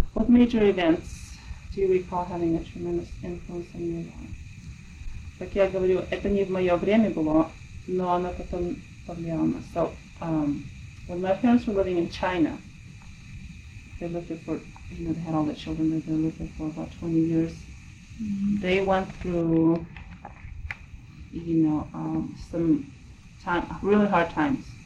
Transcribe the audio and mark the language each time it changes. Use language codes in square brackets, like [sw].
[en] What major events do you recall having a tremendous influence on your life? [ru] Так я говорю, это не в мое время было, но оно потом повлияло на. [en] So, when my parents were living in China, they lived there for, you know, they had all the children, they lived there for about 20 years. Mm-hmm. They went through, you know, some time, really hard times.